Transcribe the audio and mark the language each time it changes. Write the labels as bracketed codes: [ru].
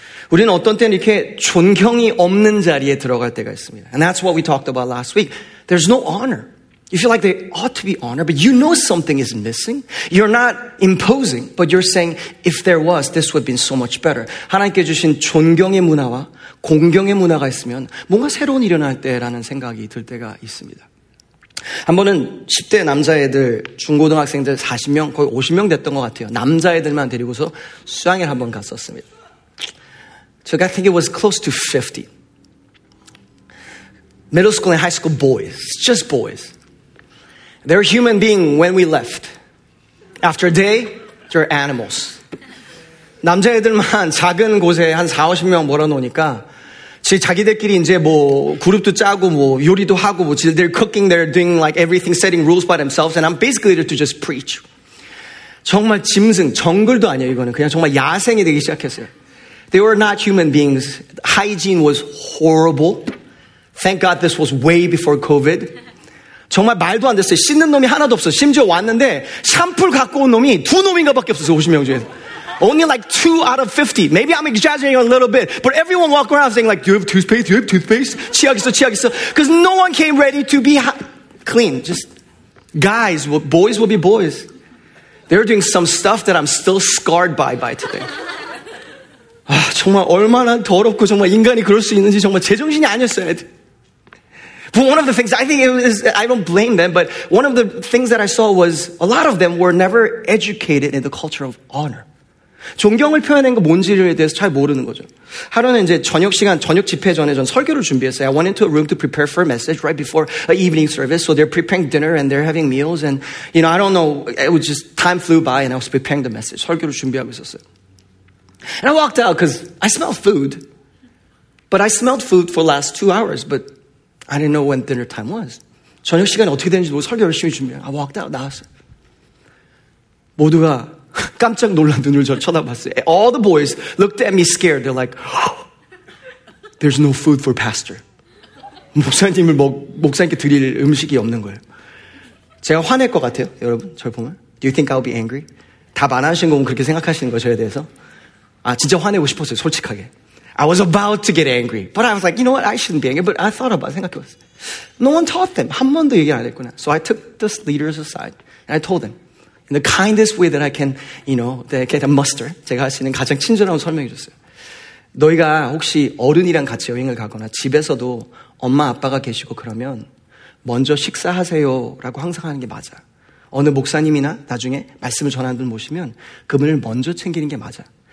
[ko] 우리는 어떤 때는 이렇게 존경이 없는 자리에 들어갈 때가 있습니다. [en] And that's what we talked about last week. There's no honor. You feel like they ought to be honored, but you know something is missing. You're not imposing, but you're saying, if there was, this would have been so much better. [ko] 하나님께 주신 존경의 문화와 공경의 문화가 있으면 뭔가 새로운 일어날 때라는 생각이 들 때가 있습니다. 한 번은 10대 남자애들, 중고등학생들 40명, 거의 50명 됐던 것 같아요. 남자애들만 데리고서 수양회를 한번 갔었습니다. [en] So I think it was close to 50. Middle school and high school boys, just boys. They're a human being when we left. After a day, they're animals. [ko] 남자애들만 작은 곳에 한 4, 50명 몰아놓으니까 자기들끼리 이제 뭐 그룹도 짜고 뭐 요리도 하고 뭐 [en] they're cooking, they're doing like everything, setting rules by themselves, and I'm basically there to just preach. [ko] 정말 짐승, 정글도 아니야 이거는. 그냥 정말 야생이 되기 시작했어요. [en] They were not human beings. Hygiene was horrible. Thank God this was way before COVID. [ko] 정말 말도 안 됐어요. 씻는 놈이 하나도 없어. 심지어 왔는데 샴푸를 갖고 온 놈이 두 놈인가밖에 없었어요. 50명 중에. [en] Only like 2 out of 50. Maybe I'm exaggerating a little bit. But everyone walked around saying like, do you have toothpaste? Do you have toothpaste? [ko] 치약 있어, 치약 있어. [en] Because no one came ready to be clean. Just guys, boys will be boys. They're doing some stuff that I'm still scarred by today. [ko] 아, 정말 얼마나 더럽고 정말 인간이 그럴 수 있는지 정말 제정신이 아니었어요. [en] But one of the things, I think it was, I don't blame them, but one of the things that I saw was a lot of them were never educated in the culture of honor. [ko] 존경을 표현한 거 뭔지에 대해서 잘 모르는 거죠. 하루는 이제 저녁 시간, 저녁 집회 전에 전 설교를 준비했어요. [en] I went into a room to prepare for a message right before an evening service. So they're preparing dinner and they're having meals. And, you know, I don't know, it was just time flew by and I was preparing the message. [ko] 설교를 준비하고 있었어요. [en] And I walked out because I smelled food. But I smelled food for the last 2 hours, but I didn't know when dinner time was. [ko] 저녁 시간이 어떻게 되는지 모르고 설교 열심히 준비해. [en] I walked out, [ko] 나왔어요. 모두가 깜짝 놀란 눈을 저 쳐다봤어요. [en] All the boys looked at me scared. They're like, there's no food for pastor. [ko] 목사님을 목사님께 드릴 음식이 없는 거예요. 제가 화낼 것 같아요, 여러분, 저 보면. [en] Do you think I'll be angry? [ko] 답 안 하신 거면 그렇게 생각하시는 거예요, 저에 대해서. 아, 진짜 화내고 싶었어요, 솔직하게. [en] I was about to get angry. But I was like, you know what? I shouldn't be angry. But I thought about it. [ko] 생각해봤어요. [en] No one taught them. [ko] 한 번도 얘기 안 했구나. [en] So I took the leaders aside. And I told them. In the kindest way that I can, you know, that I can muster. [ko] 제가 할 수 있는 가장 친절하고 설명해 줬어요. 너희가 혹시 어른이랑 같이 여행을 가거나 집에서도 엄마 아빠가 계시고 그러면 먼저 식사하세요라고 항상 하는 게 맞아. 어느 목사님이나 나중에 말씀을 전하는 분 모시면 그분을 먼저 챙기는 게 맞아.